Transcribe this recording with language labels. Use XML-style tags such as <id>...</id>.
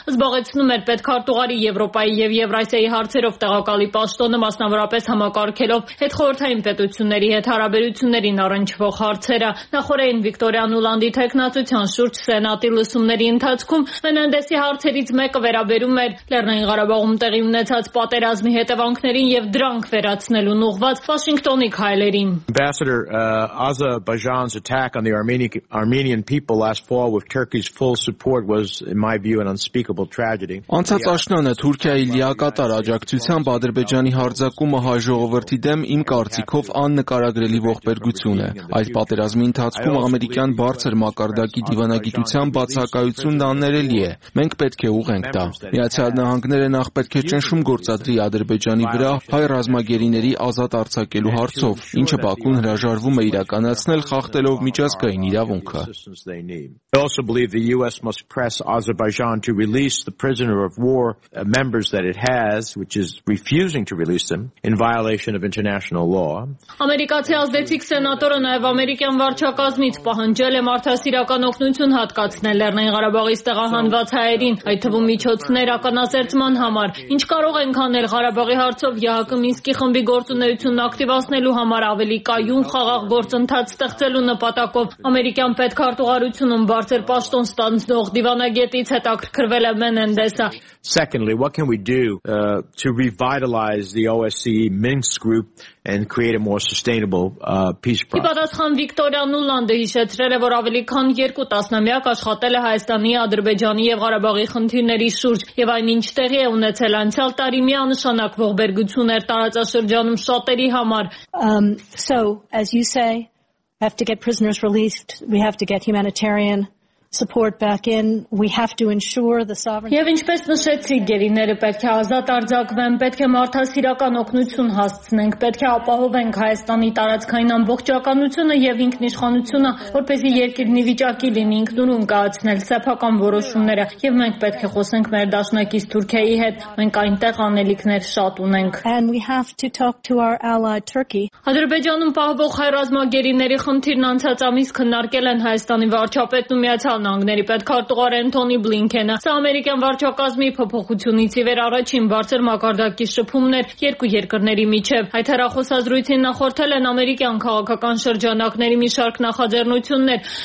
<hy>զբաղեցնում էր պետքարտուղարի Եվրոպայի և Եվրասիայի հարցերով տեղակալի պաշտոնը, մասնավորապես համակարգելով հետխորհրդային պետությունների հետ հարաբերություններին առնչվող հարցերը։ Նախորդին Վիկտորիա Նուլանդի թեկնածության շուրջ սենատի լսումների ընթացքում Մենենդեսի հարցերից մեկը վերաբերում էր Լեռնային Ղարաբաղում տեղի ունեցած պատերազմի հետևանքներին և դրանք վերացնելուն ուղված Վաշինգտոնի քայլերին։</hy> <en>Armenian people last fall with Turkey's full support was, in my view, an unspeakable tragedy.</en> <hy>Անցած աշնանը Թուրքիայի լիակատար աջակցությամբ Ադրբեջանի հարձակումը հայ ժողովրդի դեմ իմ կարծիքով աննկարագրելի ողբերգություն է։ Այդ պատերազմի ընթացքում ամերիկյան բարձր մակարդակի դիվանագիտության բացակայությունն աններելի է։ Մենք պետք է ուղենք դա։ Միացյալ Նահանգները նախ պետք է ճնշում գործադրի Ադրբեջանի վրա հայ ռազմագերիների ազատ արձակելու հարցով, ինչը Բաքուն հրաժարվում է իրականացնել խախտելով միջազգային իրավունքը։</hy> <en>I also believe the US must press Azerbaijan to release the prisoner of war members that it has, which is refusing to release them in violation of international law.</en> <hy>Ամերիկացի ազդեցիկ սենատորը նաև ամերիկյան վարչակազմից պահանջել է մարդասիրական օգնություն հատկացնել Լեռնային Ղարաբաղի ստեղահանված հայերին, այդ թվում միջոցներ ականասերծման համար։ Ինչ կարող ենք անել Ղարաբաղի հարցով ԵԱՀԿ Մինսկի խմբի գործունեությունն ակտիվացնելու համար ավելի կայուն խաղաղ գործընթաց ստեղծելու նպատակով։ Ամերիկյան պետքարտուղարությունում Բարձր պաշտոն ստանձնող դիվանագետից հետաքրքրվել է Մենենդեսը։</hy> <en>Secondly, what can we do to revitalize the OSCE Minsk group and create a more sustainable peace process?</en> <hy>Պատասխան Վիկտորիա Նուլանդը հիշեցրել է, որ ավելի քան 2 տասնամյակ աշխատել է Հայաստանի, Ադրբեջանի եւ Ղարաբաղի խնդիրների շուրջ, եւ այնինչ տեղի է ունեցել անցյալ տարի միանշանակ ողբերգություններ տարածաշրջանում շատերի համար։</hy> <en>So, as you say, we have to get prisoners released, we have to get humanitarian support back in, we have to ensure the sovereignty.</en> <hy>Եվ ինչպես նշեցի, գերիները պետք է ազատ արձակվեն, պետք է մարդասիրական օգնություն հասցնենք, պետք է ապահովենք Հայաստանի տարածքային ամբողջականությունը եւ ինքնիշխանությունը, որպեսզի երկիրն ի վիճակի լինի ինքնուրույն կայացնել սեփական որոշումները, եւ մենք պետք է խոսենք մեր դաշնակից Թուրքիայի հետ, մենք այնտեղ անելիքներ շատ ունենք.</hy> <en>And we have to talk to our ally Turkey.</en> <hy>Ադրբեջանում պահվող հայ ռազմագերիների խնդիրն անցած ամիս քննարկել են Հայաստանի վարչապետն ու Միացյալ պահպանողների պետքարտուղար Էնթոնի Բլինքենը։ Սա ամերիկյան վարչակազմի փոփոխությունից ի վեր առաջին բարձր մակարդակի շփումներ երկու երկրների միջև։ Այդ հեռախոսազրույցին նախորդել են ամերիկյան քաղաքական շրջանակների մի շարք նախաձեռնություններ,</hy>